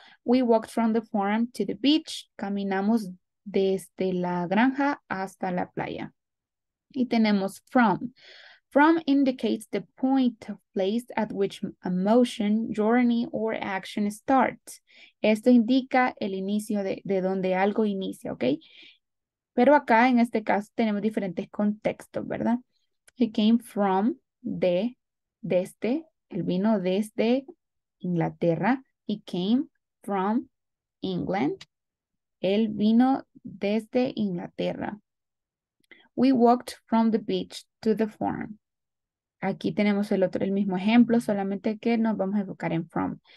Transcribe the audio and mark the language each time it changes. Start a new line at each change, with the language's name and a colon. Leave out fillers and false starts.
English: We walked from the farm to the beach.
Spanish: Caminamos desde la granja hasta la playa. Y tenemos from.
English: From indicates the point of place at which a motion, journey, or action starts.
Spanish: Esto indica el inicio de donde algo inicia, ¿ok? Pero acá, en este caso, tenemos diferentes contextos, ¿verdad?
English: He came from,
Spanish: desde, él vino desde Inglaterra.
English: He came from England.
Spanish: Él vino desde Inglaterra.
English: We walked from the beach to the farm.
Spanish: Aquí tenemos el mismo ejemplo, solamente que nos vamos a enfocar en from.